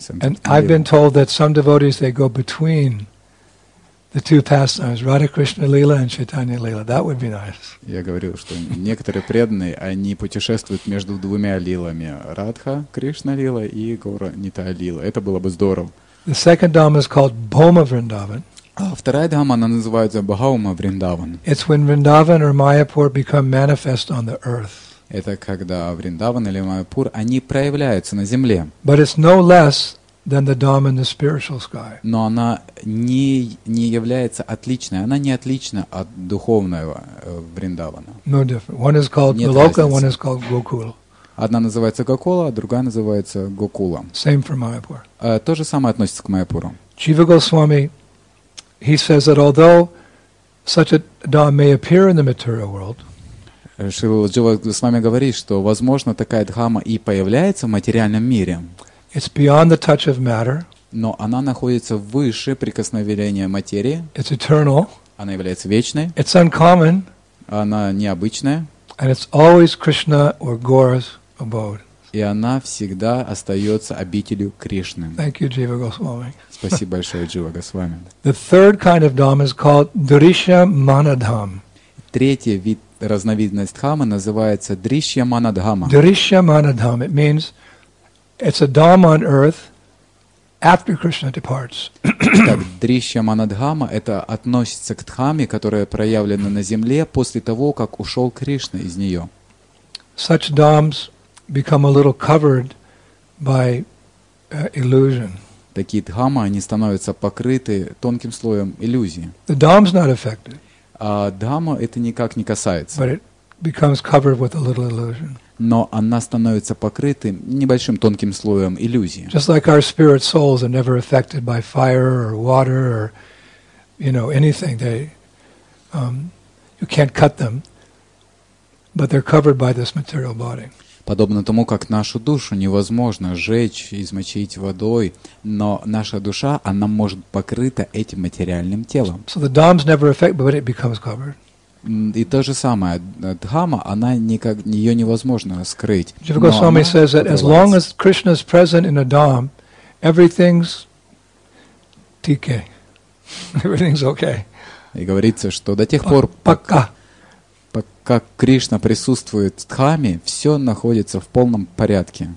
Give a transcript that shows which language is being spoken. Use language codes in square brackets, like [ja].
[en] And I've been told that some devotees they go between the two pastimes, Radha Krishna Lila and Chaitanya Lila. That would be nice. [ru] Я говорил, что некоторые преданные, они путешествуют между двумя лилами, Радха Кришна Лила и Гора Нита Лила. Это было бы здорово. [en] The second dhamma is called Bhoma Vrindavan. [ru] А вторая дхамма, она называется Бхаума Вриндаван. [en] It's when Vrindavan or Mayapur become manifest on the earth. [ru] Это когда Вриндаван или Майяпур, они проявляются на земле. [en] But it's no less than the dhamma in the spiritual sky. [ru] Но она не является отличной. Она не отлична от духовного Вриндавана. [en] No different. One is called Goloka, one is called Gokula. [ru] Одна называется Гокула, а другая называется Гокула. [en] Same for Mayapur. [ru] То же самое относится к Майяпуру. [en] Jiva Goswami, he says that although such a dham may appear in the material world, [ru] Jiva Goswami говорит, что возможно такая дхама и появляется в материальном мире. [en] It's beyond the touch of matter. [ru] Но она находится выше прикосновения материи. [en] It's eternal. [ru] Она является вечной. [en] It's uncommon. [ru] Она необычная. [en] And it's always Krishna or Gaura's abode. [ru] И она всегда остается обителью Кришны. [en] Thank you, Jiva Goswami. [ru] Спасибо большое, Джива Госвами. [en] The third kind of dham is called Drishya Manadham. [ru] Третий вид разновидность дхамы называется Drishya Manadham. [en] Drishya Manadham. It means it's a dham on earth after Krishna departs. [ru] Так, Drishya Manadhama это относится к дхаме, которая проявлена на земле после того, как ушел Кришна из нее. [en] Such dhams become a little covered by illusion. [ru] Такие дхамы, они становятся покрыты тонким слоем иллюзии. [en] The dham's not affected. [ru] А дхама это никак не касается. [en] But it becomes covered with a little illusion. [ru] Но она становится покрытым небольшим тонким слоем иллюзии. [en] Just like our spirit souls are never affected by fire or water or, you know, anything. They, you can't cut them, but they're covered by this material body. [ru] Подобно тому, как нашу душу невозможно сжечь, измочить водой, но наша душа, она может покрыта этим материальным телом. [en] So the dham's never affected, but it becomes covered. [ru] И то же самое, дхама, она никак, ее невозможно скрыть. [en] Джива Госвами says that as long as Krishna is present in a dham, everything's TK. Everything's okay. [ru] И говорится, что до тех пор, пока Кришна присутствует в дхаме, все находится в полном порядке.